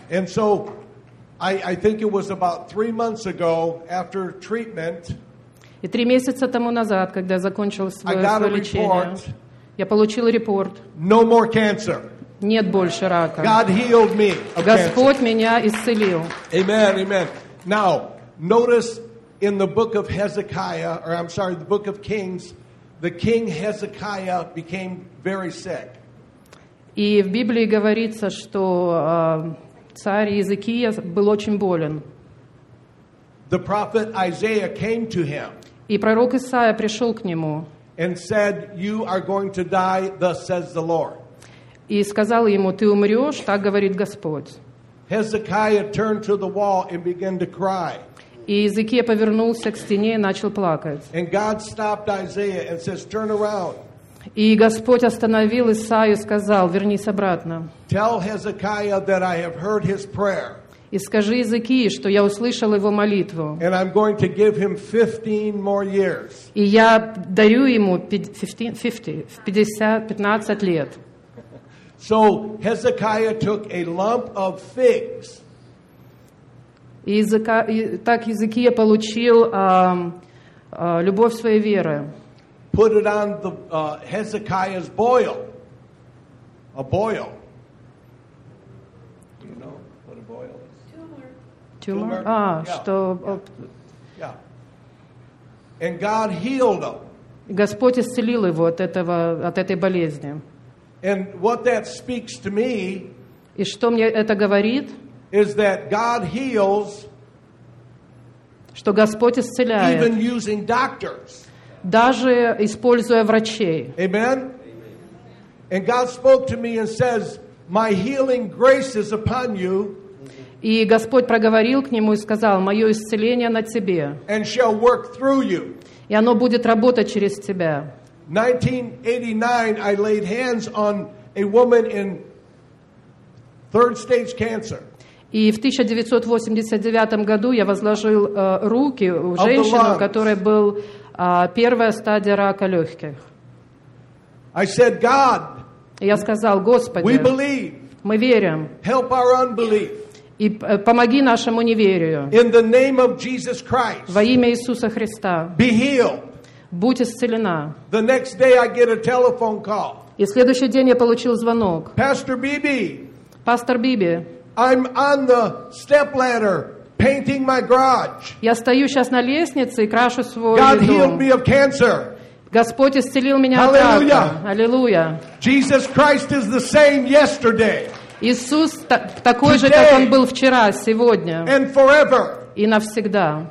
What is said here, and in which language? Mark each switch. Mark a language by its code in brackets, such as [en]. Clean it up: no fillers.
[en] And so, I think it was about 3 months ago after treatment. [ru] И 3 месяца тому назад, когда я закончил свое лечение. Я получил репорт. [en] No more cancer. [ru] Нет больше рака. [en] God healed me of [ru] Господь [en] cancer. [ru] Меня исцелил. [en] Amen, amen. Now, notice in the book of Hezekiah, or I'm sorry, the book of Kings, the king Hezekiah became very sick. [ru] И в Библии говорится, что царь Иезекия был очень болен. [en] The prophet Isaiah came to him. [ru] И пророк Исаия пришел к нему. [en] And said, "You are going to die." Thus says the Lord. [ru] И сказал ему, ты умрешь, так говорит Господь. [en] Hezekiah turned to the wall and began to cry. [ru] И Иезекия повернулся к стене и начал плакать. [en] And God stopped Isaiah and says, "Turn around." [ru] И Господь остановил Исаию и сказал, вернись обратно. [en] Tell Hezekiah that I have heard his prayer. [ru] И скажи Иезекии, что я услышал его молитву. [en] And I'm going to give him 15 more years. [ru] И я дарю ему 15 лет. [en] So Hezekiah took a lump of figs. [ru] так языки я получил любовь своей веры. [en] Put it on the Hezekiah's boil. A boil. Do you know what a boil is? Tumor. Tumor? Ah, yeah. [ru] Что... [en] Yeah. Yeah. And God healed him. [ru] Господь исцелил его от этого, от этой болезни. [en] And what that speaks to me, [ru] и что мне это говорит, [en] is that God heals, [ru] что Господь исцеляет, [en] even using doctors. [ru] Даже используя врачей. [en] Amen? And God spoke to me and says, my healing grace is upon you. [ru] И Господь проговорил к нему и сказал, мое исцеление на тебе. [en] And shall work through you. [ru] И оно будет работать через тебя. [en] В 1989 I laid hands on a woman in third stage cancer. [ru] И в 1989 году я возложил руки у женщины, которая был первая стадия рака легких. [en] I said, God, [ru] я сказал, Господи, [en] we believe, [ru] мы верим. [en] Help our unbelief. [ru] И помоги нашему неверию. [en] In the name of Jesus Christ, [ru] во имя Иисуса Христа. [en] Be healed. [ru] Будь исцелена. [en] The next day I get a telephone call. [ru] И в следующий день я получил звонок. [en] Pastor Bibi. [ru] Пастор Биби. [en] I'm on the step ladder painting my garage. [ru] Я стою сейчас на лестнице и крашу свой [en] God God healed me of cancer. [ru] Господь исцелил меня от рака. Аллилуйя. [en] Jesus Christ is the same yesterday. [ru] Иисус такой же, как Он был вчера, сегодня и навсегда.